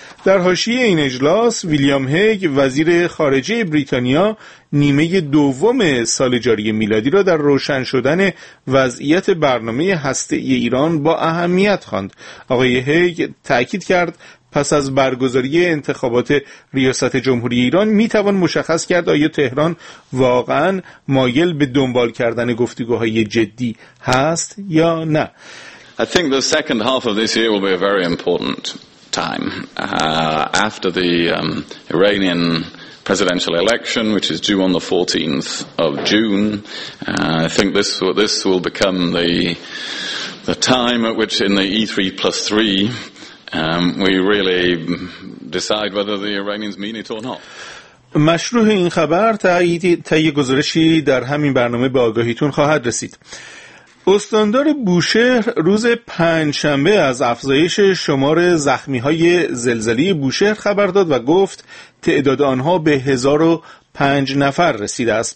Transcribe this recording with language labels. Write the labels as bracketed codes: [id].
[fa] در حاشیه این اجلاس، ویلیام هیگ، وزیر خارجه بریتانیا، نیمه دوم سال جاری میلادی را در روشن شدن وضعیت برنامه هسته‌ای ایران با اهمیت خواند. آقای هیگ تأکید کرد پس از برگزاری انتخابات ریاست جمهوری ایران می توان مشخص کرد آیا تهران واقعا مایل به دنبال کردن گفتگوهای جدی هست یا نه. [en] I think the second half of this year will be a very important time. After the Iranian presidential election, which is due on the 14th of June, I think this will become the time at which in the E3 plus 3 we really decide whether the Iranians mean it or not. [fa] مشروح این خبر تایید گزارشی در همین برنامه به آگاهیتون خواهد رسید. استاندار بوشهر روز پنجشنبه از افزایش شمار زخمی‌های زلزله بوشهر خبر داد و گفت تعداد آنها به 1005 نفر رسیده است.